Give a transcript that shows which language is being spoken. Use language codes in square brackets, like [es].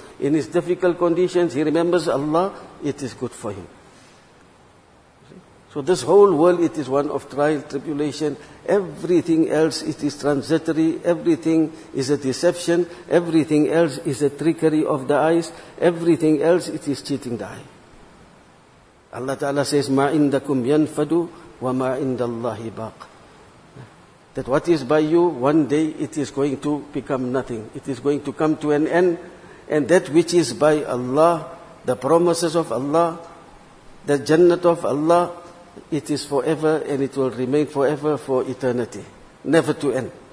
[en] In his difficult conditions, he remembers Allah, it is good for him. So this whole world, it is one of trial, tribulation. Everything else, it is transitory. Everything is a deception. Everything else is a trickery of the eyes. Everything else, it is cheating the eye. Allah Ta'ala says, [ar] مَا عِنْدَكُمْ يَنْفَدُ وَمَا عِنْدَ اللَّهِ بَاقٍ. [en] That what is by you, one day it is going to become nothing. It is going to come to an end. And that which is by Allah, the promises of Allah, the Jannat of Allah, it is forever and it will remain forever for eternity. Never to end.